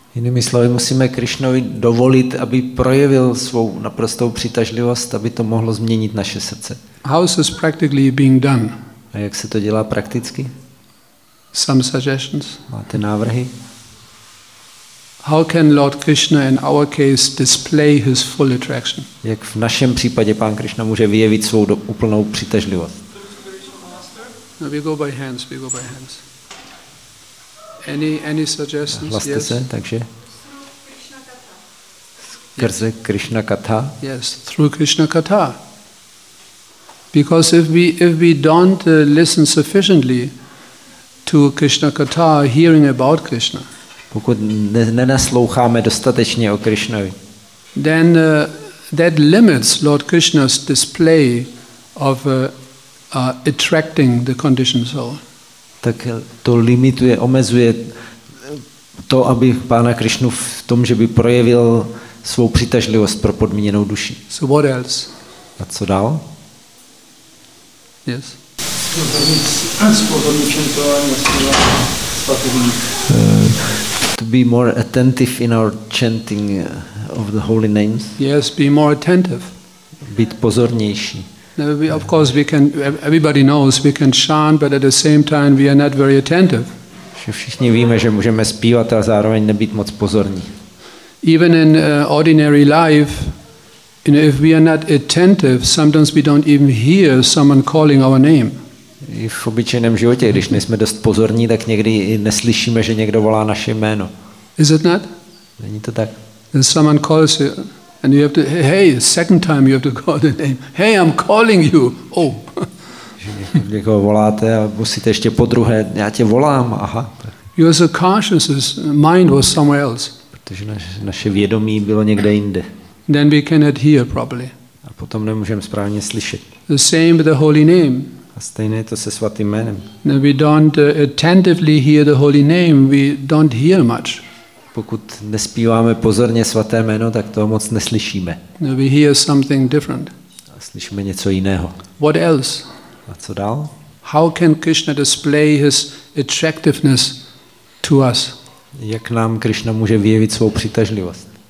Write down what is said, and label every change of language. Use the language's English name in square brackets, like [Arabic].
[Czech] Jinými slovy, musíme Krišnovi dovolit, aby projevil svou naprostou přitažlivost, aby to mohlo změnit naše srdce. [English] How is this practically being done? [Czech] A jak se to dělá prakticky? [English] Some suggestions. [Czech] Máte návrhy? [English] How can Lord Krishna in our case display his full attraction? [Czech] Jak v našem případě pán Krišna může vyjevit svou úplnou přitažlivost? [English] No, we go by hands. Any suggestions? [Czech] Hlaste [English] yes. [Czech] Se, takže. Skrze Krishna katha. [English] Yes, through Krishna katha. Because if we don't listen sufficiently to Krishna katha, hearing about Krishna. [Czech] Pokud nenasloucháme dostatečně o Krishnovi. [English] Then that limits Lord Krishna's display of attracting the conditioned soul. [Czech] Tak to limituje, omezuje to, aby pána Krišnu v tom, že by projevil svou přitažlivost pro podmíněnou duši. [English] So what else? [Czech] A co dál? [English] Yes. To be more attentive in our chanting of the holy names. Yes, be more attentive. [Czech] Být pozornější. [English] Now we, of course, we can. Everybody knows we can chant, but at the same time we are not very attentive. [Czech] Že všichni víme, že můžeme zpívat a zároveň nebýt moc pozorní. [English] Even in ordinary life, you know, if we are not attentive, sometimes we don't even hear someone calling our name. [Czech] I v obyčejném životě, když nejsme dost pozorní, tak někdy i neslyšíme, že někdo volá naše jméno. [English] Is it not? [Czech] Není to tak? [English] Then someone calls you. And you have to hey, second time you have to call the name. Hey, I'm calling you. Oh. [Czech] Někoho voláte a musíte ještě po druhé. Já tě volám. Aha. [English] Your subconscious mind was somewhere else. [Czech] Protože naše vědomí bylo někde jinde. [English] Then we cannot hear properly. [Czech] A potom nemůžeme správně slyšet. [English] The same with the holy name. [Czech] A stejné je to se svatým jménem. [English] Now we don't attentively hear the holy name. We don't hear much. [Czech] Pokud nespíváme pozorně svaté jméno, tak toho moc neslyšíme. [English] We hear something different. [Czech] A slyšíme něco jiného. [English] What else? [Czech] A co dál? [English] How can Krishna display his attractiveness to us? [Czech] Jak nám Krishna může vyjevit svou přitažlivost?